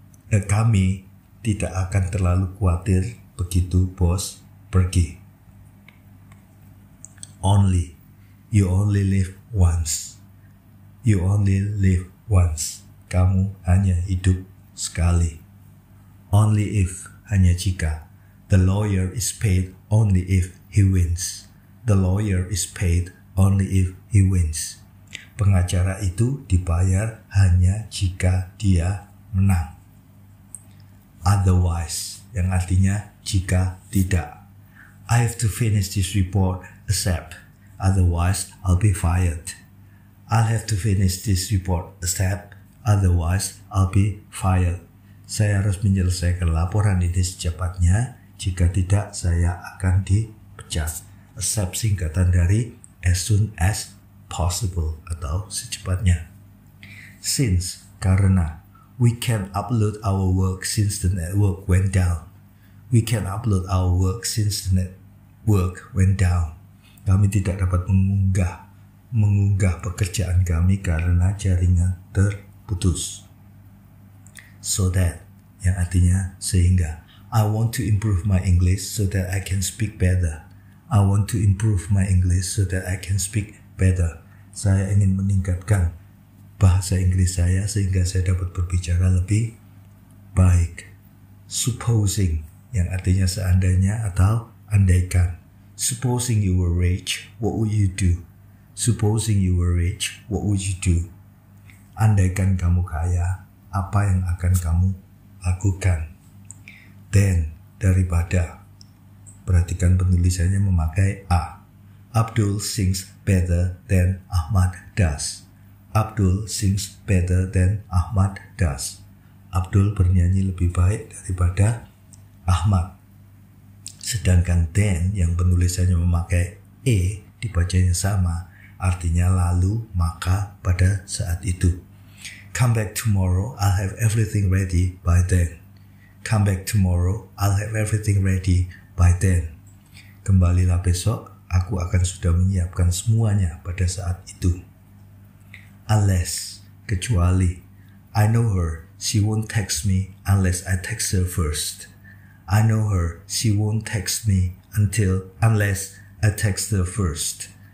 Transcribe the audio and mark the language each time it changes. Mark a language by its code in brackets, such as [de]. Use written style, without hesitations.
[id] Kami tidak akan terlalu khawatir begitu bos pergi. [en] Only, you only live once. You only live once. [id] Kamu hanya hidup sekali. [en] Only if, [id] hanya jika. [en] The lawyer is paid only if he wins. The lawyer is paid only if he wins. [id] Pengacara itu dibayar hanya jika dia menang. Otherwise, yang artinya jika tidak. [en] I have to finish this report ASAP. Otherwise, I'll be fired. I'll have to finish this report ASAP. Otherwise, I'll be fired. [id] Saya harus menyelesaikan laporan ini secepatnya. Jika tidak, saya akan dipecat. ASAP singkatan dari [en] as soon as possible [id] atau secepatnya. Since, karena. [en] We can upload our work since the network went down. We can upload our work since the network went down. [id] Kami tidak dapat mengunggah pekerjaan kami karena jaringan terputus. [en] So that, [id] yang artinya sehingga. [en] I want to improve my English so that I can speak better. I want to improve my English so that I can speak better. [id] Saya ingin meningkatkan bahasa Inggris saya sehingga saya dapat berbicara lebih baik. Supposing, yang artinya seandainya atau andaikan. [en] Supposing you were rich, what would you do? Supposing you were rich, what would you do? [id] Andaikan kamu kaya, apa yang akan kamu lakukan? Then, daripada. Perhatikan penulisannya memakai A. [en] Abdul sings better than Ahmad does. Abdul sings better than Ahmad does. [id] Abdul bernyanyi lebih baik daripada Ahmad. Sedangkan then yang penulisannya memakai E dibacanya sama. Artinya lalu, maka, pada saat itu. [en] Come back tomorrow, I'll have everything ready by then. Come back tomorrow, I'll have everything ready by then. [id] Kembalilah besok, aku akan sudah menyiapkan semuanya pada saat itu. [en] Unless, kecuali. I know her, she won't text me unless I text her first. I know her, she won't text me until unless I text her first.